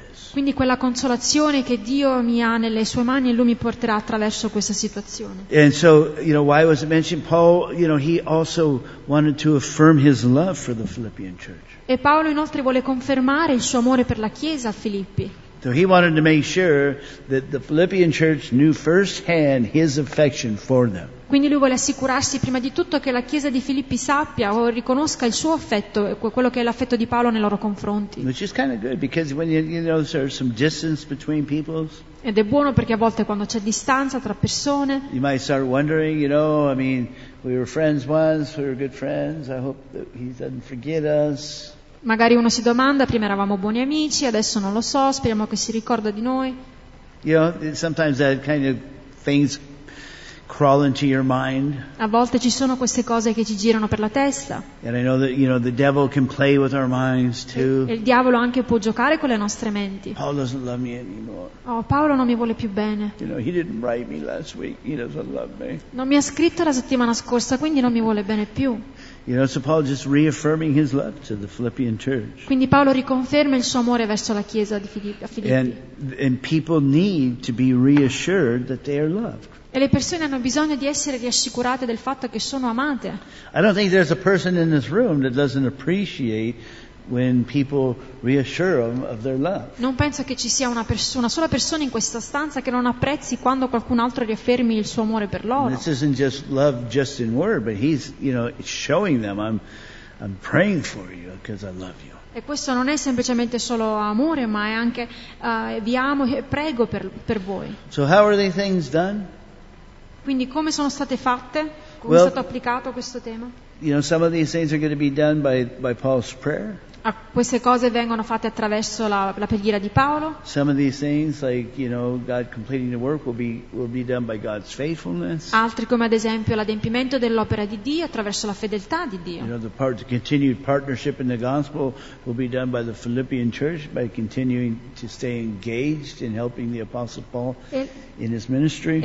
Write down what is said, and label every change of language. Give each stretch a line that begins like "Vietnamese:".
Italian: Quindi quella consolazione che Dio mi ha nelle sue mani e Lui mi porterà attraverso questa situazione.
English: And so, you know, why was it mentioned? Paul, you know, he also wanted to affirm his love for the Philippian church.
Italian: E Paolo inoltre vuole confermare il suo amore per la Chiesa a Filippi.
English: So he wanted to make sure that the Philippian church knew firsthand his affection for them.
Italian: Quindi lui vuole assicurarsi prima di tutto che la chiesa di Filippi sappia o riconosca il suo affetto, quello che è l'affetto di Paolo nei loro confronti.
English: Which is kind of good because when you know there's some distance between people.
Italian: Ed è buono perché a volte quando c'è distanza tra persone.
English: You might start wondering, you know, I mean, we were friends once, we were good friends. I hope that he doesn't forget us.
Italian: Magari uno si domanda, prima eravamo buoni amici, adesso non lo so, speriamo che si ricorda di noi.
English: You know, sometimes that kind of things crawl into your mind.
Italian: A volte ci sono queste cose che ci girano per la testa.
English: And I know that, you know, the devil can play with our minds too.
Italian: E il diavolo anche può giocare con le nostre menti.
English: Paul doesn't love me anymore.
Italian: Oh, Paolo non mi vuole più bene.
English: You know, he didn't write me last week. He doesn't love me.
Italian: Non mi ha scritto la settimana scorsa, quindi non mi vuole bene più.
English: You know, so Paul just reaffirming his love to the Philippian church.
Italian: Quindi Paolo riconferma il suo amore verso la chiesa di Filippi.
English: And people need to be reassured that they are loved.
Italian: E le persone hanno bisogno di essere riassicurate del fatto che sono amate.
English: I don't think there's a person in this room that doesn't appreciate when people reassure them of their love.
Italian: Non penso che ci sia una sola persona in questa stanza che non apprezzi quando qualcun altro riaffermi il suo amore per loro.
English: This isn't just love just in word, but he's, you know, showing them I'm praying for you because I love you.
Italian: E questo non è semplicemente solo amore, ma è anche vi amo e prego per voi.
English: So how are these things done?
Italian: Quindi come sono state fatte? Come è stato applicato questo tema?
English: You know, some of these things are going to be done by Paul's prayer.
Italian: Queste cose vengono fatte attraverso la preghiera di Paolo.
English: Some of these things, like, you know, God completing the work will be done by God's faithfulness.
Italian: Altri come ad esempio l'adempimento dell'opera di Dio attraverso la fedeltà di Dio.
English: You know, the continued partnership in the gospel will be done by the Philippian church by continuing to stay engaged in helping the apostle Paul in his ministry.